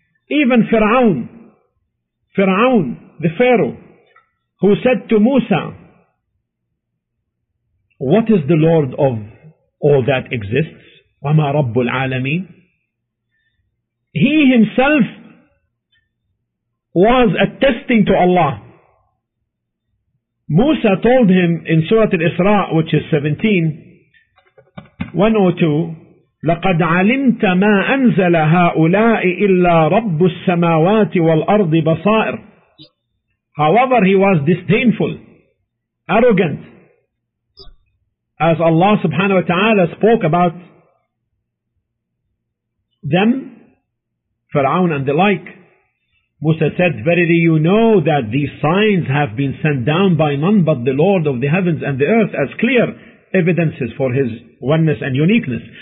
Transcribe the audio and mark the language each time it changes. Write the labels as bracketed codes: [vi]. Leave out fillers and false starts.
[en] Even Fir'aun, the Pharaoh, who said to Musa, what is the Lord of all that exists? [ar] وَمَا رَبُّ الْعَالَمِينَ? [en] He himself was attesting to Allah. Musa told him in Surah Al-Isra, which is 17, 102, [ar] لقد علمت ما أنزل هؤلاء إلا رب السماوات والأرض بصائر. [en] However, he was disdainful, arrogant, as Allah subhanahu wa ta'ala spoke about them, Fir'aun and the like. Musa said, verily you know that these signs have been sent down by none but the Lord of the heavens and the earth as clear evidences for his oneness and uniqueness.